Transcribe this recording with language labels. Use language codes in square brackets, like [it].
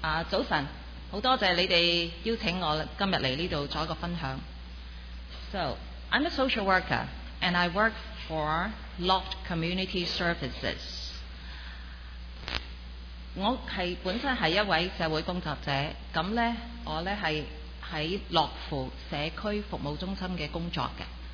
[yue] 早晨，好多謝你哋邀請我今日嚟呢度做一個分享。 [en] So, I'm a social worker, and I work for Loft Community Services. [yue] 我係本身係一位社會工作者，咁咧我咧係喺樂富社區服務中心嘅工作嘅。